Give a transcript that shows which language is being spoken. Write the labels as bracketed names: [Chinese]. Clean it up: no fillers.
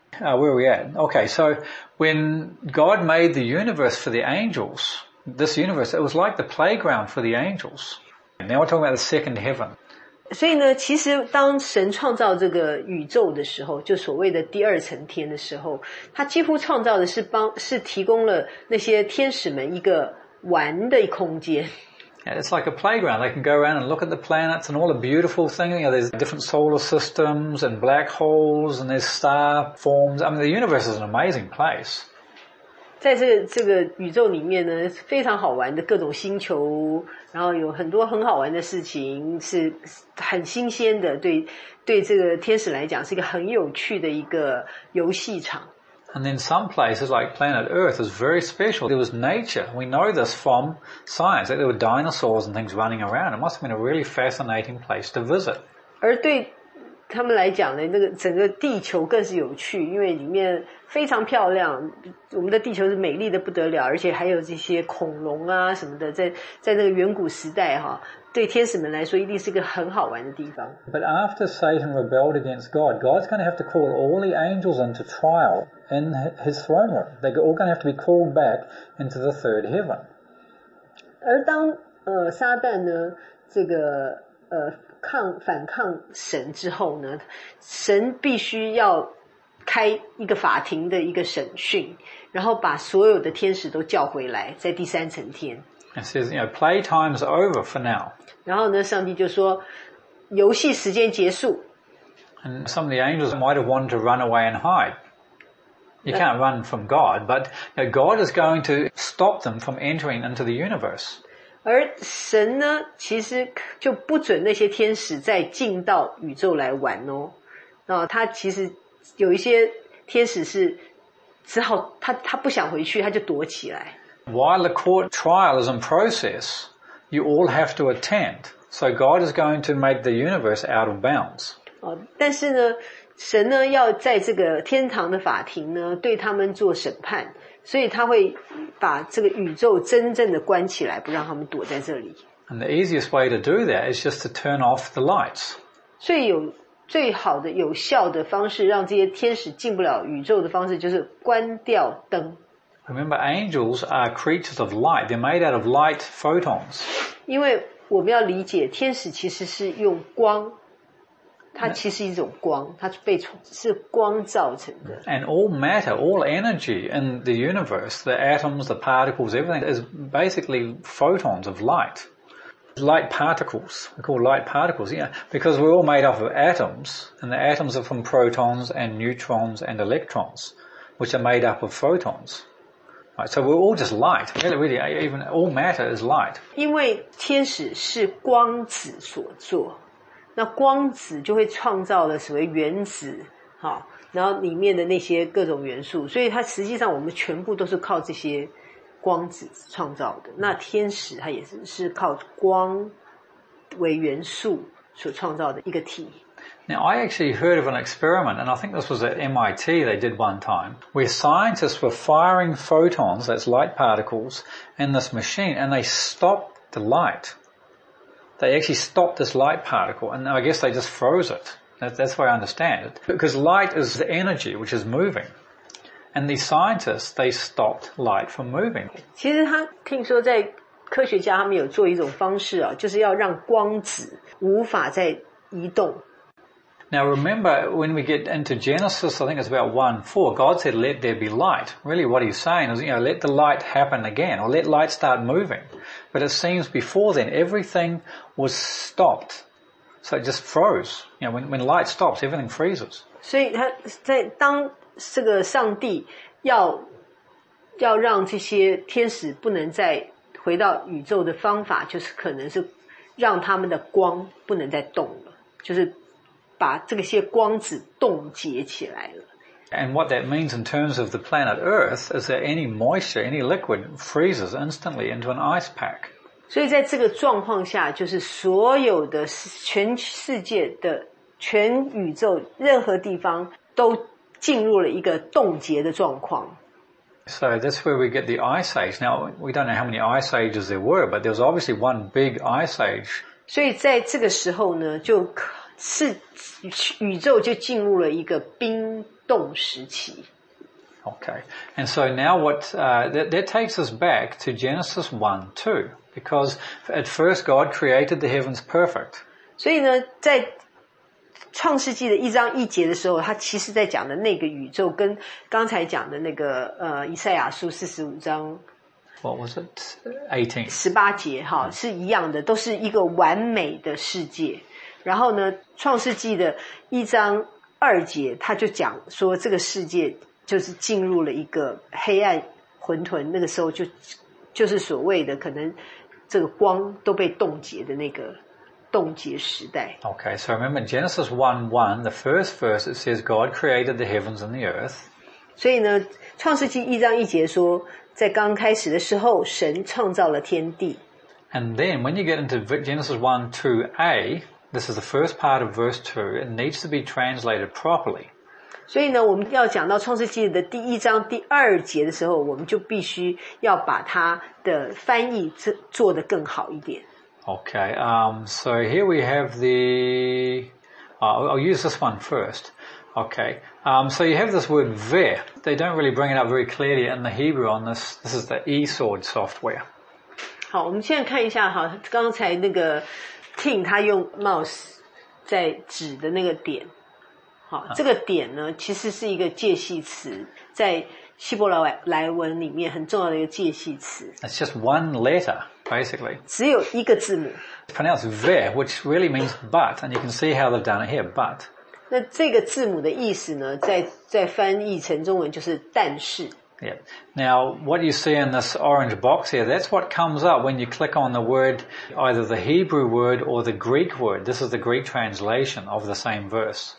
[English] Where are we at? Okay, so when God made the universe for the angels, this universe, it was like the playground for the angels. And now we're talking about the second heaven. [Chinese] 所以呢，其实当神创造这个宇宙的时候，就所谓的第二层天的时候，他几乎创造的是帮是提供了那些天使们一个玩的空间。 [English] Yeah, it's like a playground. They can go around and look at the planets and all the beautiful things. You know, there's different solar systems and black holes and there's star forms. I mean, the universe is an amazing place. [Chinese] 在这个宇宙里面呢，非常好玩的各种星球，然后有很多很好玩的事情，是很新鲜的。对这个天使来讲，是一个很有趣的一个游戏场。 [English] And then some places like planet Earth is very special. There was nature. We know this from science, that there were dinosaurs and things running around. It must have been a really fascinating place to visit. [Chinese] 而对他们来讲呢，那个整个地球更是有趣，因为里面非常漂亮。我们的地球是美丽的不得了，而且还有这些恐龙啊什么的，在那个远古时代哈，对天使们来说一定是个很好玩的地方。 [English] But after Satan rebelled against God, God's going to have to call all the angels into trial in His throne room. They're all going to have to be called back into the third heaven. [Chinese] 而当撒旦呢，这个反抗神之后呢，神必须要开一个法庭的一个审讯，然后把所有的天使都叫回来，在第三层天。 [English] It says, you know, playtime's over for now. [Chinese] 然后呢，上帝就说，游戏时间结束。 [English] And some of the angels might have wanted to run away and hide. You can't run from God, but you know, God is going to stop them from entering into the universe. [Chinese] 而神呢，其实就不准那些天使再进到宇宙来玩哦。那他其实有一些天使是只好他不想回去，他就躲起来。 [English] While the court trial is in process, you all have to attend. So God is going to make the universe out of bounds. [Chinese] 哦，但是呢，神呢要在这个天堂的法庭呢对他们做审判。所以他会把这个宇宙真正的关起来，不让他们躲在这里。 [English] And the easiest way to do that is just to turn off the lights. [Chinese] 最好的、有效的方式，让这些天使进不了宇宙的方式，就是关掉灯。 [English] Remember, angels are creatures of light. They're made out of light photons. [Chinese] 因为我们要理解，天使其实是用光。它其实一种光，它被是光造成的。 [English] And all matter, all energy in the universe, the atoms, the particles, everything is basically photons of light. Light particles, we call light particles, yeah, because we're all made up of atoms, and the atoms are from protons and neutrons and electrons, which are made up of photons. Right, so we're all just light. Really, even all matter is light. [Chinese] 因为天使是光子所作。那光子就会创造了所谓原子，好，然后里面的那些各种元素，所以它实际上我们全部都是靠这些光子创造的。那天使它也是靠光为元素所创造的一个体。 [English] Now I actually heard of an experiment, and I think this was at MIT they did one time, where scientists were firing photons, that's light particles, in this machine, and they stopped the light. They actually stopped this light particle, and I guess they just froze it. That's why I understand it. Because light is the energy which is moving. And these scientists, they stopped light from moving. [Chinese] 其实他听说在科学家他们有做一种方式啊，就是要让光子无法再移动。 [English] Now remember, when we get into Genesis, I think it's about 1:4, God said, let there be light. Really what he's saying is, you know, let the light happen again, or let light start moving. But it seems before then, everything was stopped. So it just froze. You know, when light stops, everything freezes. [Chinese] 所以他在当这个上帝要让这些天使不能再回到宇宙的方法，就是可能是让他们的光不能再动了，就是把这些光子冻结起来了。 [English] And what that means in terms of the planet Earth is that any moisture, any liquid freezes instantly into an ice pack. [Chinese] 所以在这个状况下，就是所有的全世界的全宇宙任何地方都进入了一个冻结的状况。 [English] So that's where we get the ice age. Now, we don't know how many ice ages there were, but there was obviously one big ice age. [Chinese] 所以在这个时候呢，就是宇宙就进入了一个冰冻时期。 [English] Okay. And so now what, that takes us back to Genesis 1:2, because at first God created the heavens perfect. [Chinese] 所以呢，在创世纪的一章一节的时候，他其实在讲的那个宇宙，跟刚才讲的那个以赛亚书45章 [English] ，What was it? 18. [Chinese] 18节哈，是一样的，都是一个完美的世界。然后呢，创世纪的一章二节，他就讲说这个世界就是进入了一个黑暗混沌，那个时候就是所谓的可能这个光都被冻结的那个。冻结时代。 [English] Okay, so remember Genesis 1:1, the first verse, it says God created the heavens and the earth. [Chinese] 所以呢，创世纪一章一节说，在刚开始的时候，神创造了天地。 [English] And then when you get into Genesis 1:2a, this is the first part of verse 2, it needs to be translated properly. [Chinese] 所以呢，我们要讲到创世纪的第一章第二节的时候，我们就必须要把它的翻译做得更好一点。 [English] Okay, so here we have the, I'll use this one first. Okay, so you have this word ve. They don't really bring it up very clearly in the Hebrew on this. This is the eSword software. [Chinese] 好，我们现在看一下哈，刚才那个 Tim 他用 mouse 在指的那个点。好，这个点呢，其实是一个介系词，在希伯来文里面很重要的一个介系词。 [English] It's just one letter, basically. [Chinese] 只有一个字母。 [English] It's pronounced ve, which really means but, and you can see how they've done it here, but. [Chinese] 那这个字母的意思呢，在翻译成中文就是但是。 [English] Yeah. Now, what you see in this orange box here, that's what comes up when you click on the word, either the Hebrew word or the Greek word. This is the Greek translation of the same verse.